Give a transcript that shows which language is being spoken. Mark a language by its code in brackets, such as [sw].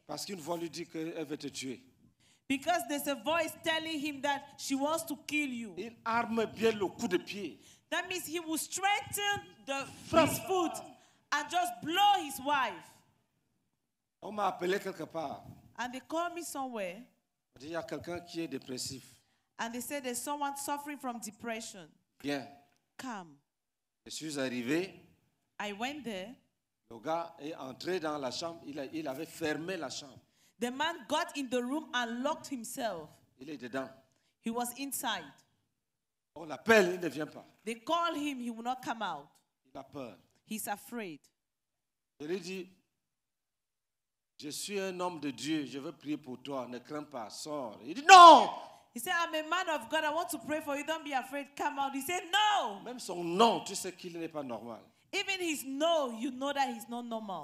[fr] Parce qu'une voix lui dit qu'elle veut te tuer. [en] Because there's a voice telling him that she wants to kill you. [fr] Il arme bien le coup de pied. [en] That means he will strengthen the first foot and just blow his wife. [fr] On m'a appelé quelque part. [en] And they called me somewhere. [fr] Il y a quelqu'un qui est dépressif. [en] And they said there's someone suffering from depression. [fr] Bien. [en] Come. [fr] Je suis arrivé. [en] I went there. [fr] Le gars est entré dans la chambre. Il avait fermé la chambre. [en] The man got in the room and locked himself. [fr] Il est dedans. [en] He was inside. [fr] On l'appelle, il ne vient pas. [en] They call him, he will not come out. [fr] Il a peur. [en] He's afraid. [fr] Je lui dis, je suis un homme de Dieu, je veux prier pour toi, ne crains pas, sors. Il dit, non! [en] He said, I'm a man of God, I want to pray for you, don't be afraid, come out. He said, no! [fr] Même son non, tu sais qu'il n'est pas normal. [en] Even his no, you know that he's not normal.